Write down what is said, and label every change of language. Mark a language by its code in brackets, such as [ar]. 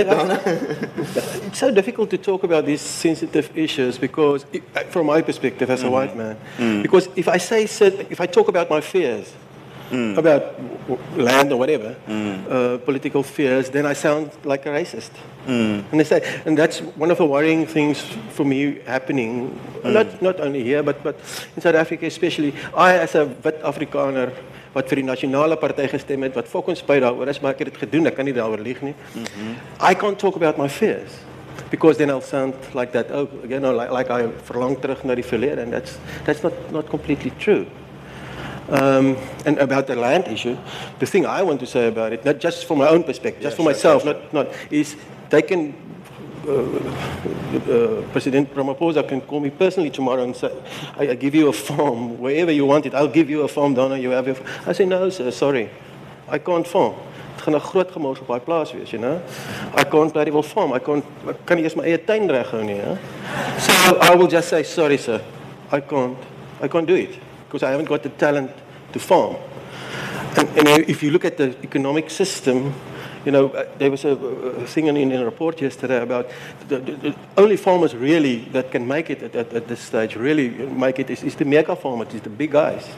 [en] It's so difficult to talk about these sensitive issues because, from my perspective as a white man, because if I say, if I talk about my fears, about land or whatever, political fears, then I sound like a racist. And they say, and that's one of the worrying things for me happening, not only here, but in South Africa especially. I, as a [af] wit Afrikaner, wat vir die nasionale party gestem het, wat fokkens spyt daaroor is, maar ek het dit gedoen, ek kan nie daaroor lieg nie. [en] I can't talk about my fears, because then I'll sound like that, oh, you know, like [af] I verlang terug na die verlede, [en] and that's not completely true. And about the land issue, the thing I want to say about it, not just from my own perspective, just myself, not is they can, President Ramaphosa can call me personally tomorrow and say, I give you a farm, wherever you want it, I'll give you a farm, Donna, you have your farm. I say, no, sir, sorry, I can't farm. [af] Het gaan 'n groot gemors op my plaas wees, [en] you know. I can't bloody well farm, I kan nie eers my eie tuin reghou nie. So I will just say, sorry, sir, I can't do it, because I haven't got the talent to farm. And if you look at the economic system, you know, there was a thing in a report yesterday about the only farmers really that can make it at this stage, really make it, is the mega farmers, is the big guys.